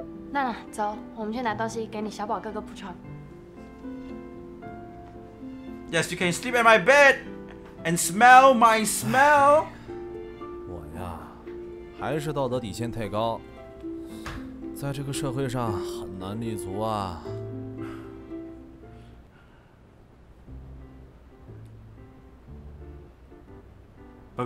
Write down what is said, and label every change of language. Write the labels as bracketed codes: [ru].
[zh] 娜娜,走, 我们去拿东西给你小宝哥哥补偿。 [en] Yes, you can sleep at my bed and smell my smell. [zh] 还是道德底线太高，在这个社会上很难立足啊。But